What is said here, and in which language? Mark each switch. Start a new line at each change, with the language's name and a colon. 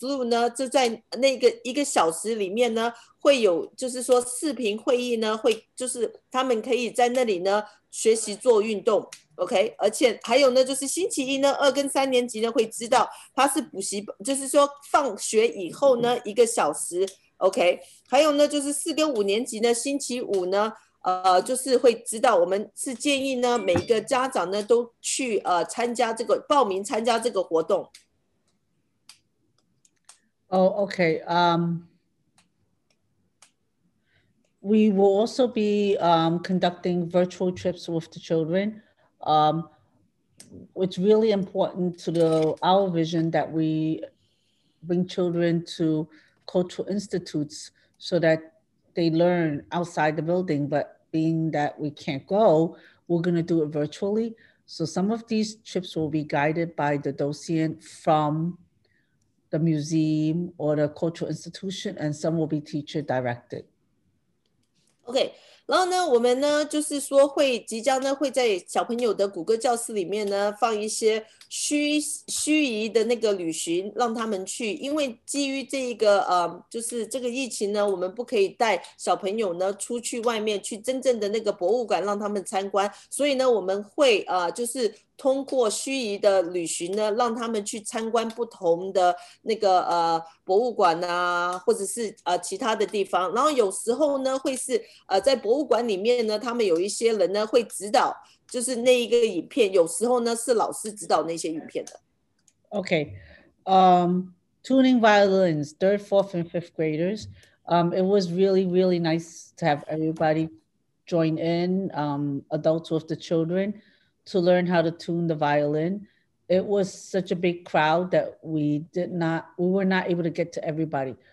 Chinese: Liu 呢就在那个一个小时里面呢会有就是说视频会议呢会就是他们可以在那里呢学习做运动OK， 而且还有呢，就是星期一呢，二跟三年级呢会知道他是补习，就是说放学以后呢一个小时 ，OK， 还有呢就是四跟五年级呢，星期五呢，就是会知道，我们是建议呢每一个家长呢都去参加这个报名参加这个活动。
English: Oh, OK, we will also be conducting virtual trips with the children. It's really important to our vision that we bring children to cultural institutes so that they learn outside the building. But being that we can't go, we're going to do it virtually. So some of these trips will be guided by the docent from the museum or the cultural institution, and some will be teacher directed. Okay.
Chinese: 然后呢我们呢就是说会即将呢会在小朋友的谷歌教室里面呢放一些虚拟的那个旅行让他们去，因为基于这一个就是这个疫情呢我们不可以带小朋友呢出去外面去真正的那个博物馆让他们参观，所以呢我们会就是通过虚拟的旅行呢让他们去参观不同的那个博物馆啊或者是其他的地方，然后有时候呢会是在博物馆里面呢他们有一些人呢会指导就是那一个影片，有时候呢是老师指导那些影片的。
English: OK tuning violins third fourth and fifth graders it was really really nice to have everybody join in adults with the children to learn how to tune the violin. It was such a big crowd that we were not able to get to everybody.